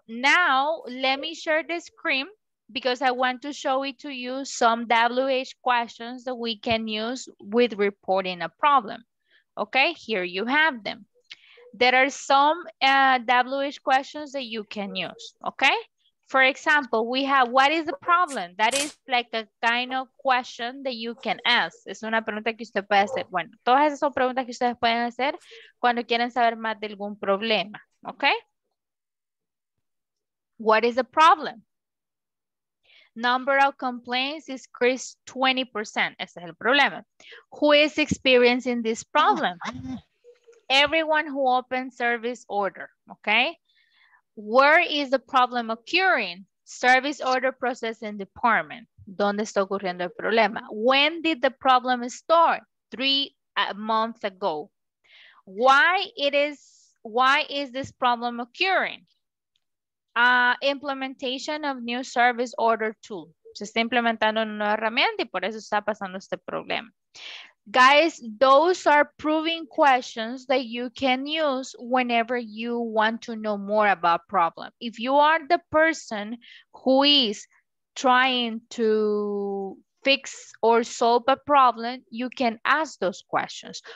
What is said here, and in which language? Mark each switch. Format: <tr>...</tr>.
<en>Now, let me share the screen because I want to show it to you some WH questions that we can use with reporting a problem. Okay, here you have them. There are some WH questions that you can use, okay? For example, we have, what is the problem? That is like a kind of question that you can ask.</en> <es>Es una pregunta que usted puede hacer. Bueno, todas esas son preguntas que ustedes pueden hacer cuando quieren saber más de algún problema, okay?</es> <en>What is the problem? Number of complaints is increased 20%.</en> <es>Ese es el problema.</es> <en>Who is experiencing this problem? Everyone who opens service order, okay? Where is the problem occurring? Service order processing department.</en> <es>¿Dónde está ocurriendo el problema?</es> <en>When did the problem start? 3 months ago. Why is this problem occurring? Implementation of new service order tool.</en> <es>Se está implementando una nueva herramienta y por eso está pasando este problema.</es> <en>Guys, those are proving questions that you can use whenever you want to know more about problem. If you are the person who is trying to fix or solve a problem, you can ask those questions.</en>